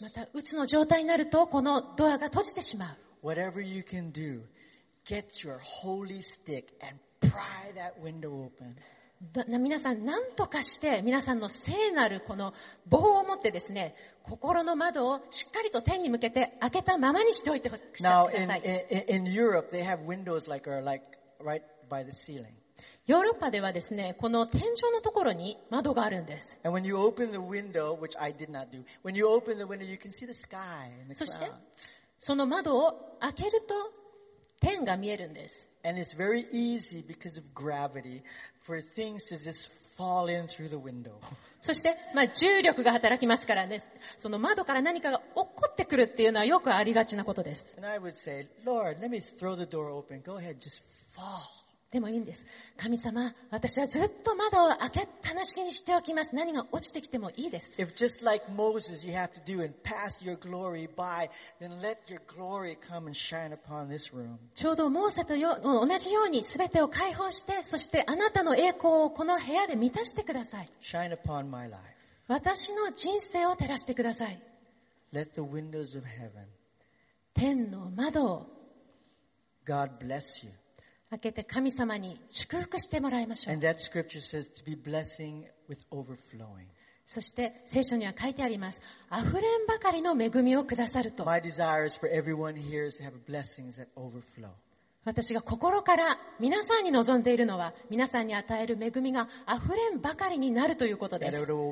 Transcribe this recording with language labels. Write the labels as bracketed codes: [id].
[ja] また、鬱の状態になると、このドアが閉じてしまう。 [en] Whatever you can do, get your holy stick and pry that window open. [ja] 皆さん、何とかして、皆さんの聖なるこの棒を持ってですね、心の窓をしっかりと天に向けて開けたままにしておいてください。 [en] Now, in Europe, they have windows like right by the ceiling. [ja] ヨーロッパではですね、この天井のところに窓があるんです。 [en] And when you open the window, which I did not do, when you open the window, you can see the sky and the clouds. [ja] そして、その窓を開けると天が見えるんです。 [en] And it's very easy because of gravity for things to just fall in through the window. [ja] そして、まあ、重力が働きますからね、その窓から何かが落っこってくるっていうのはよくありがちなことです。 [en] And I would say, Lord, let me throw the door open. Go ahead, just fall. [ja] でもいいんです。神様、私はずっと窓を開けっぱなしにしておきます。何が落ちてきてもいいです。 [en] If just like Moses you have to do and pass your glory by, then let your glory come and shine upon this room. [ja] ちょうどモーセと同じように全てを解放して、そしてあなたの栄光をこの部屋で満たしてください。 [en] Shine upon my life. [ja] 私の人生を照らしてください。 [en] Let the windows of heaven [ja] 天の窓を [en] God bless you. [ja] 開けて神様に祝福してもらいましょう。 [en] And that scripture says to be blessing with overflowing. [ja] そして聖書には書いてあります。あふれんばかりの恵みをくださると。 [en] My desire is for everyone here to have blessings that overflow. [ja] 私が心から皆さんに望んでいるのは、皆さんに与える恵みがあふれんばかりになるということです。